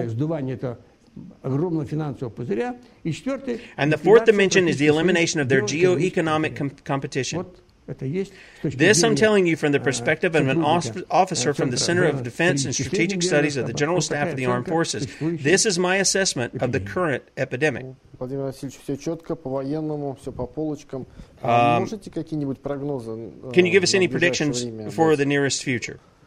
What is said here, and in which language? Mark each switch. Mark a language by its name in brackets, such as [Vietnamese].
[English] And the fourth dimension is the elimination of their geo-economic competition. This I'm telling you from the perspective of an officer from the Center of Defense and Strategic Studies of the General Staff of the Armed Forces. This is my assessment of the current epidemic. [Russian] Владимир Васильевич, все четко, по-военному, все по полочкам. Можете какие-нибудь прогнозы? [English] Can you give us any predictions for the nearest future?